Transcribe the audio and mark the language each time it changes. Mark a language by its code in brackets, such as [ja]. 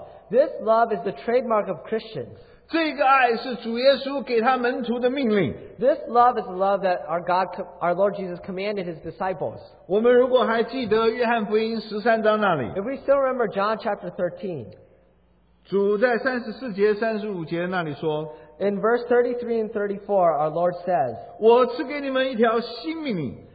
[en] This love is the trademark of Christians. [zh] 这个爱是主耶稣给他门徒的命令。 [en] This love is the love that our God, our Lord Jesus commanded his disciples. [zh] 我们如果还记得约翰福音13章那里, [en] if we still remember John chapter 13, [zh] 主在34节35节那里说, [en] in verse 33 and 34, our Lord says, [zh] 我赐给你们一条新命令,